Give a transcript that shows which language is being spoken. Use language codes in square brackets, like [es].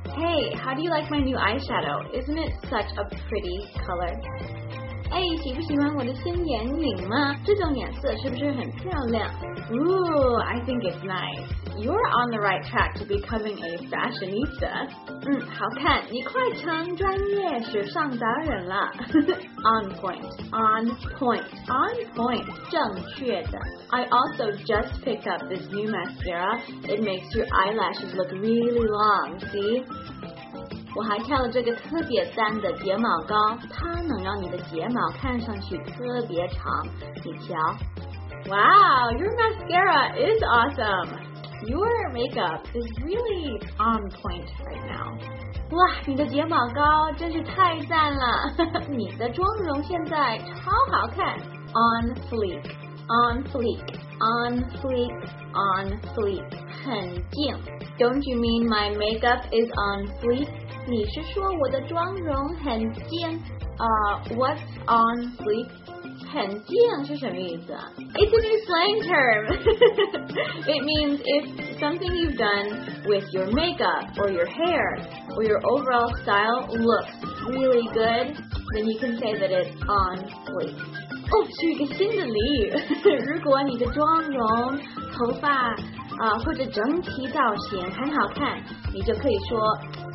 [en] Hey, how do you like my new eyeshadow? Isn't it such a pretty color? [zh] 哎，喜不喜欢我的新眼影吗？这种颜色是不是很漂亮？ [en] Ooh, I think it's nice. You're on the right track to becoming a fashionista. [zh] 好看，你快成专业时尚达人了。 [en] On point, on point, on point, [zh] 正确的。 [en] I also just picked up this new mascara. It makes your eyelashes look really long, see? [zh] 我还挑了这个特别赞的睫毛膏，它能让你的睫毛看上去特别长，你瞧。 [en] Wow, your mascara is awesome. Your makeup is really on point right now. [zh] 哇，你的睫毛膏真是太赞了，你的妆容现在超好看。 [en] On fleek, on fleek, on fleek, on fleek, [zh] 很静。 [en] Don't you mean my makeup is on fleek? [zh] 你是说我的妆容很静？ [en] What's on fleek? [zh] 很静是什么意思？ [en] It's a new slang term. It means if something you've done with your makeup or your hair or your overall style looks really good, then you can say that it's on fleek. [zh] 哦，是一个新的俚语。如果你的妆容、头发啊、或者整体造型很好看，你就可以说。